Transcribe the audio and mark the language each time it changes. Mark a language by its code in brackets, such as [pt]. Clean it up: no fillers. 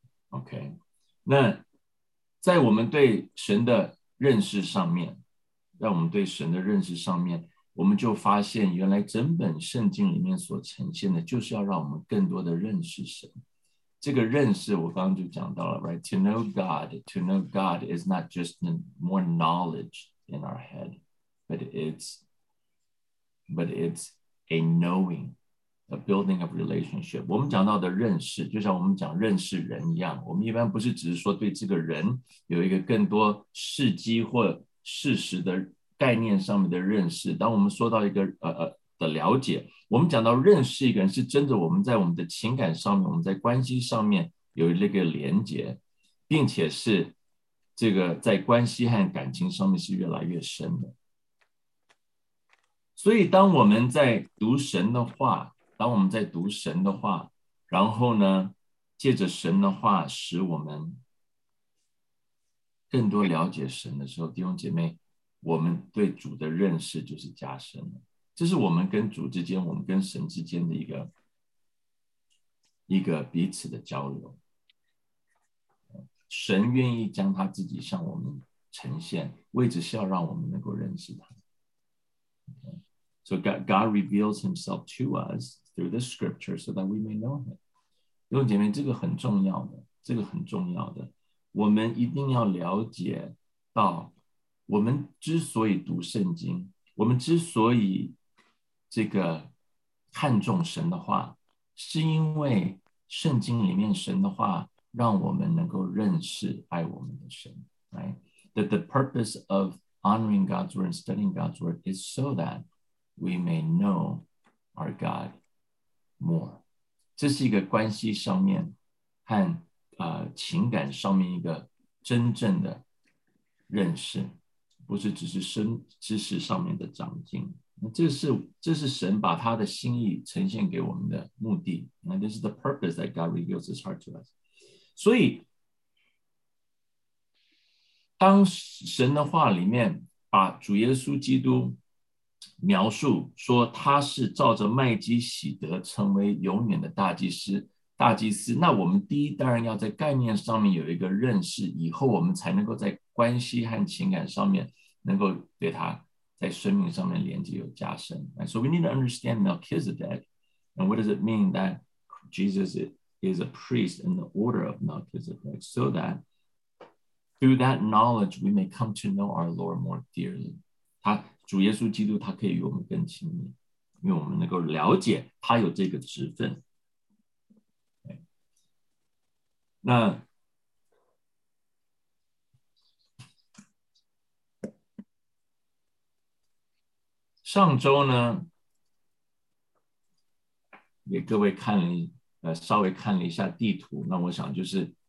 [zh] OK， 那在我们对神的认识上面，让我们对神的认识上面，我们就发现原来整本圣经里面所呈现的就是要让我们更多的认识神。这个认识我刚刚就讲到了 [en] right? To know God is not just more knowledge in our head, but it's a knowing, a building of relationship. [zh] 我们讲到的认识，就像我们讲认识人一样，我们一般不是只是说对这个人有一个更多事迹或事实的概念上面的认识，当我们说到一个的了解，我们讲到认识一个人是真的，我们在我们的情感上面，我们在关系上面有那个连结，并且是这个在关系和感情上面是越来越深的。所以当我们在读神的话，当我们在读神的话，然后呢借着神的话使我们更多了解神的时候，弟兄姐妹，我们对主的认识就是加深了。这是我们跟主之间，我们跟神之间的一个彼此的交流。神愿意将他自己向我们呈现，为的是要让我们能够认识他。 [en] So God reveals himself to us through the scripture so that we may know him. [zh] 弟兄姐妹，这个很重要的，这个很重要的。我们一定要了解到，我们之所以读圣经，我们之所以这个看重神的话，是因为圣经里面神的话让我们能够认识爱我们的神。 [en] Right? That the purpose of honoring God's word and studying God's word is so that we may know our God more. [zh] 这是一个关系上面和情感上面一个真正的认识，不是只是知识上面的长进。这是神把他的心意呈现给我们的目的。 [en] And this is the purpose that God reveals his heart to us. [zh] 所以当神的话里面把主耶稣基督描述说他是照着麦基洗德成为永远的大祭司，那我们第一当然要在概念上面有一个认识，以后我们才能够在关系和情感上面能够对他在生命上面连接有加深。 [en] right? So we need to understand Melchizedek and what does it mean that Jesus is a priest in the order of Melchizedek so that through that knowledge we may come to know our Lord more dearly. [zh] 他主耶稣基督他可以与我们更亲密，因为我们能够了解他有这个职分。那上周呢给各位看了稍微看了一下地图，那我想就是